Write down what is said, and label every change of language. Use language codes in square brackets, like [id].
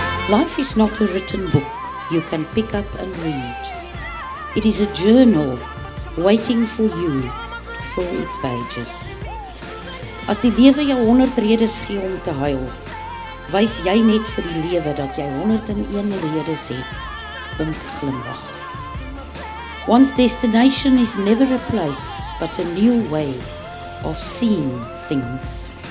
[en] Life is not a written book you can pick up and read. It is a journal waiting for you to fill its pages. [af] As die lewe jou 100 redes gee om te huil, wys jy net vir die lewe dat jy 101 redes het om te glimlag. [en] One's destination is never a place, but a new way of seeing things.